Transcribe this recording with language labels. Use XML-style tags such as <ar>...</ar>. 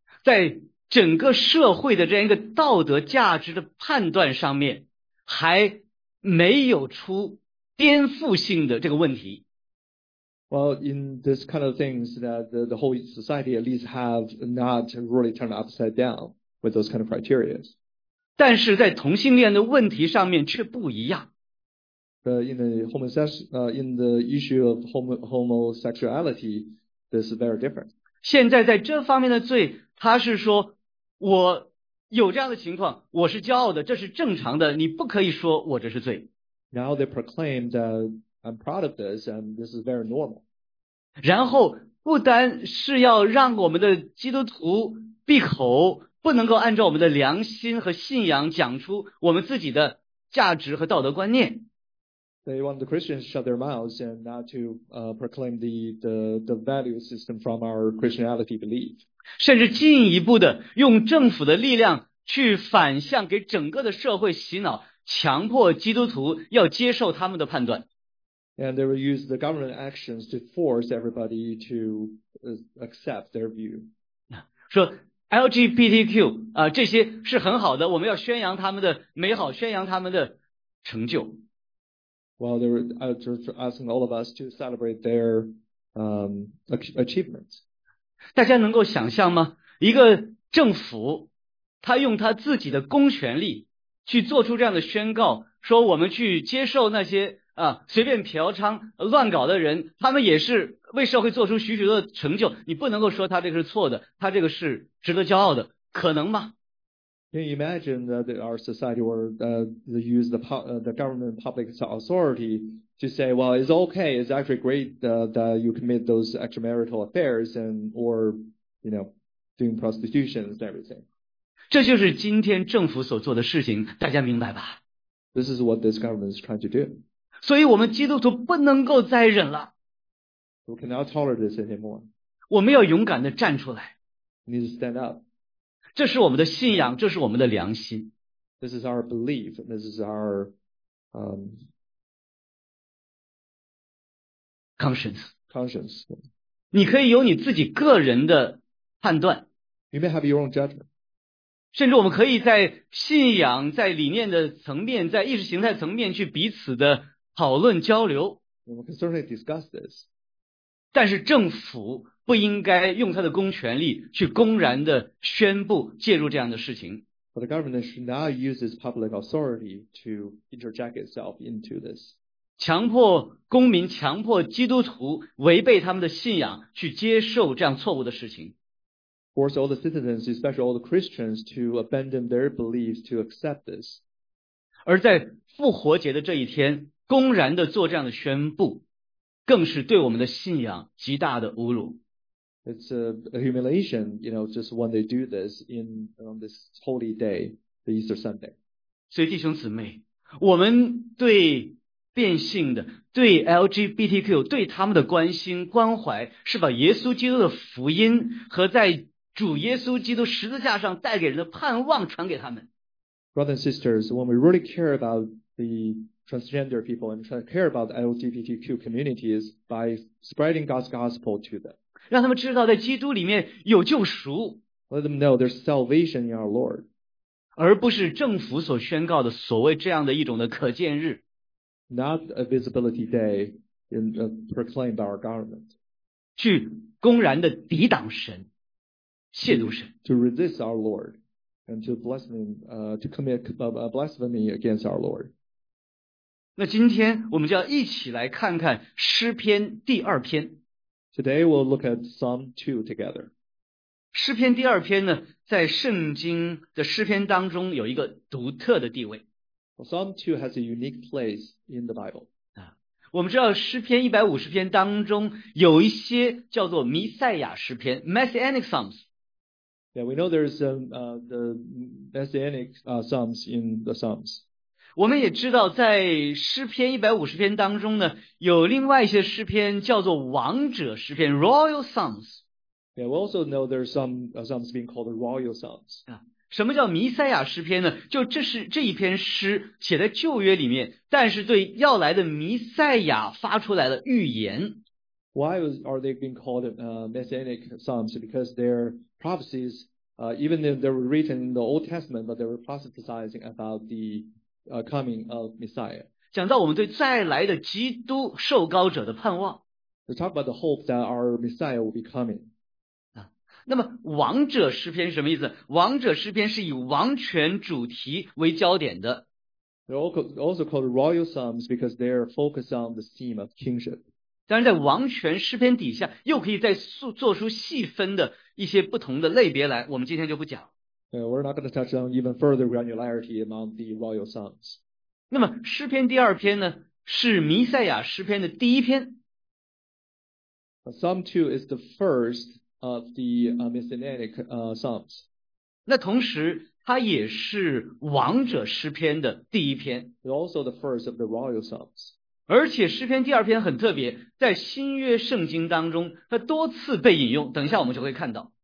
<zh>在整个社会的这样一个道德价值的判断上面还没有出颠覆性的这个问题。</zh> <en>Well, in this kind of things that the whole society at least have not really turned upside down with those kind of criteria.</en> <zh>但是在同性恋的问题上面却不一样。</zh> <en>In the issue of homosexuality, this is very different.</en> <zh>现在在这方面的罪，他是说我有这样的情况，我是骄傲的，这是正常的，你不可以说我这是罪。</zh> <en>Now they proclaim that I'm proud of this and this is very normal.</en> <zh>然后不单是要让我们的基督徒闭口，不能够按照我们的良心和信仰讲出我们自己的价值和道德观念。</zh> <en>They want the Christians to shut their mouths and not to proclaim the value system from our Christianity belief.</en> <zh>甚至进一步的用政府的力量去反向给整个的社会洗脑，强迫基督徒要接受他们的判断。</zh> <en>And they will use the government actions to force everybody to accept their view.</en> <zh>说 LGBTQ 这些是很好的，我们要宣扬他们的美好，宣扬他们的成就。</zh> <en>Well, they were asking all of us to celebrate their achievements.</en> <zh>大家能够想象吗？一个政府，他用他自己的公权力去做出这样的宣告，说我们去接受那些随便嫖娼乱搞的人，他们也是为社会做出许许多成就。你不能够说他这个是错的，他这个是值得骄傲的，可能吗</zh> <en>？Can you imagine that our society were use the government public authority to say, well, it's okay, it's actually great that you commit those extramarital affairs and, or, you know, doing prostitution and everything.</en> <zh>这就是今天政府所做的事情，大家明白吧？</zh> <en>This is what this government is trying to do.</en> <zh>所以我们基督徒不能够再忍了。</zh> <en>We cannot tolerate this anymore.</en> <zh>我们要勇敢地站出来。</zh> <en>We need to stand up.</en> <zh>这是我们的信仰，这是我们的良心。</zh> <en>This is our belief, this is our, Conscience. Conscience.</en> <zh>你可以有你自己个人的判断。</zh> <en>You may have your own judgment.</en> <zh>甚至我们可以在信仰、在理念的层面、在意识形态层面去彼此的讨论交流。我们可以</zh> <en>certainly discuss this.</en> <zh>但是政府不应该用他的公权力去公然的宣布介入这样的事情。</zh> <en>But the government should not use its public authority to interject itself into this.</en> <zh>强迫公民、强迫基督徒违背他们的信仰去接受这样错误的事情。</zh> <en>Force all the citizens, especially all the Christians, to abandon their beliefs to accept this.</en> <zh>而在复活节的这一天，公然的做这样的宣布，更是对我们的信仰极大的侮辱。</zh> <en>It's a humiliation, you know, just when they do this in on this holy day, the Easter Sunday.</en> <zh>所以弟兄姊妹，我们对变性的，对 LGBTQ, 对他们的关心关怀，是把耶稣基督的福音和在主耶稣基督十字架上带给人的盼望传给他们。</zh> <en>Brothers and sisters, when we really care about the transgender people and care about the LGBTQ communities by spreading God's gospel to them.</en> <zh>让他们知道在基督里面有救赎。</zh> <en>Let them know there's salvation in our Lord.</en> <zh>而不是政府所宣告的所谓这样的一种的可见日。</zh> <en>Not a visibility day in, proclaimed by our government.</en> <zh>去公然的抵挡神，亵渎神。</zh> <en>To resist our Lord. And to blaspheme, to commit a blasphemy against our Lord.</en> <zh>那今天我们就要一起来看看诗篇第二篇。</zh> <en>Today we'll look at Psalm 2 together.</en> <zh>诗篇第二篇呢，在圣经的诗篇当中有一个独特的地位。</zh> <en>Well, Psalm 2 has a unique place in the Bible.</en> <zh>我们知道诗篇150篇当中有一些叫做弥赛亚诗篇 Messianic Psalms。</zh> <en>Yeah, we know there's the Messianic Psalms in the Psalms.</en> <zh>我们也知道在诗篇150篇当中呢，有另外一些诗篇叫做王者诗篇 Royal Psalms.</zh> <en>Yeah, we also know there's some Psalms being called Royal Psalms.</en> <zh>什么叫弥赛亚诗篇呢？就这是这一篇诗写在旧约里面，但是对要来的弥赛亚发出来的预言。</zh> <en>Why are they being called Messianic Psalms? Because their prophecies, even if they were written in the Old Testament, but they were prophesizing about the coming of Messiah.</en> <zh>讲到我们对再来的基督受膏者的盼望。</zh> <en>They talk about the hope that our Messiah will be coming.</en> <zh>那么王者诗篇是什么意思？王者诗篇是以王权主题为焦点的。</zh> <en>They're also called Royal Psalms because they're focused on the theme of kingship.</en> <zh>当然在王权诗篇底下又可以再做出细分的一些不同的类别来，我们今天就不讲。</zh> <en>We're not going to touch on even further granularity among the royal songs.</en> <zh>那么诗篇第二篇呢，是弥赛亚诗篇的第一篇。</zh> <en>Psalm 2 is the first of the Messianic songs.</en> <zh>那同时它也是王者诗篇的第一篇。</zh> <en>It's also the first of the royal songs.</en> <zh>而且诗篇第二篇很特别，在新约圣经当中它多次被引用，等一下我们就会看到。</zh>